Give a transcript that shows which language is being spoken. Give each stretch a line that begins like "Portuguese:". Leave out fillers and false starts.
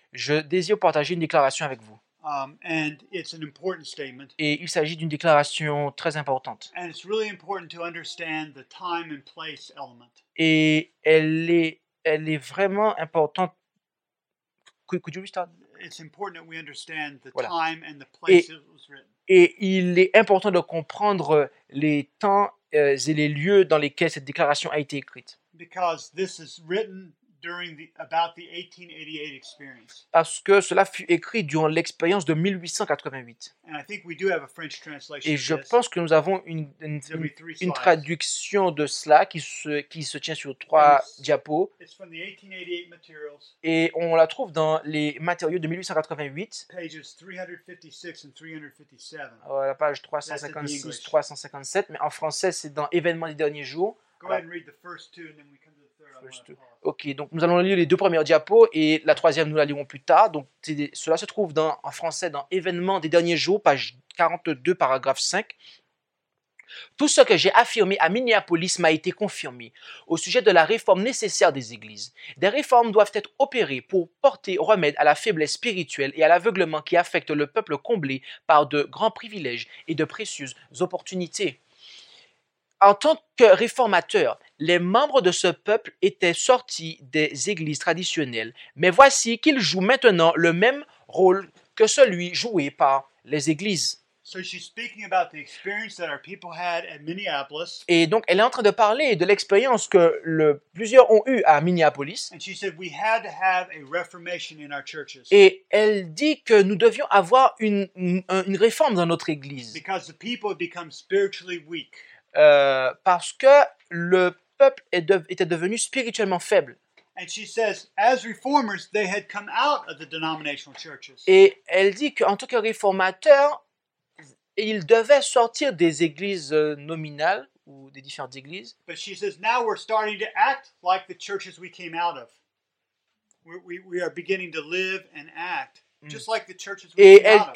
French: Je désire partager une déclaration avec vous.
English: And it's an important statement.
French: Et il s'agit d'une déclaration très importante.
English: And it's really important to understand the time and place element.
French: Et elle est elle est vraiment importante.
English: Could you restart? It's important that we understand the voilà. Time and the place it was written.
French: Et il est important de comprendre les temps et les lieux dans lesquels cette déclaration a été écrite.
English: Because this is written during the about the 1888 experience.
French: Parce que cela fut écrit durant l'expérience de 1888.
English: And I think we do have a French translation.
French: Et je pense que nous avons une traduction de cela qui se tient sur trois diapos.
English: It's from the 1888 materials.
French: Et on la trouve dans les matériaux de 1888.
English: Pages 356 and 357.
French: Voilà, la page 356, 357. Mais en français, c'est dans Événements des derniers jours.
English: Go ahead and read the first two, and then we come to the third. First two.
French: Ok, donc nous allons lire les deux premières diapos et la troisième, nous la lirons plus tard. Donc cela se trouve en français dans Événements des derniers jours, page 42, paragraphe 5. Tout ce que j'ai affirmé à Minneapolis m'a été confirmé au sujet de la réforme nécessaire des églises. Des réformes doivent être opérées pour porter remède à la faiblesse spirituelle et à l'aveuglement qui affecte le peuple comblé par de grands privilèges et de précieuses opportunités. En tant que réformateur, les membres de ce peuple étaient sortis des églises traditionnelles, mais voici qu'ils jouent maintenant le même rôle que celui joué par les églises.
English: So she's speaking about the experience that our people had at Minneapolis.
French: Et donc, elle est en train de parler de l'expérience que plusieurs ont eue à Minneapolis.
English: And she said we had to have a reformation in our churches.
French: Et elle dit que nous devions avoir une réforme dans notre église.
English: Because the people have become spiritually weak.
French: Parce que le peuple était devenu spirituellement faible.
English: And she says, as reformers, they had come out of the denominational churches.
French: Et elle dit qu'en tant que réformateur, ils devaient sortir des églises nominales ou des différentes églises.
English: But she says, now we're starting to act like the churches we came out of. We are beginning to live and act just like the churches we came out of.